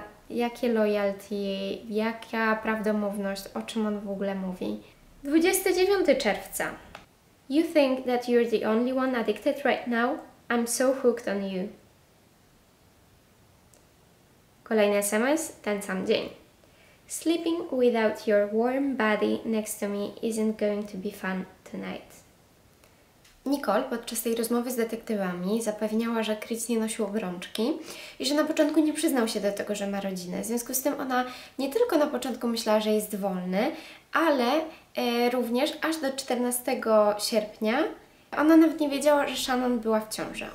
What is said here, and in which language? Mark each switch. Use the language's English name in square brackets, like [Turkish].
[Polish] Jakie loyalty, jaka prawdomówność, o czym on w ogóle mówi? 29 czerwca. [English] "You think that you're the only one addicted right now? I'm so hooked on you." [Polish] Kolejny SMS, ten sam dzień. [English] "Sleeping without your warm body next to me isn't going to be fun tonight." [Polish] Nicole podczas tej rozmowy z detektywami zapewniała, że Chris nie nosił obrączki i że na początku nie przyznał się do tego, że ma rodzinę. W związku z tym ona nie tylko na początku myślała, że jest wolny, ale również aż do 14 sierpnia ona nawet nie wiedziała, że Shannon była w ciąży.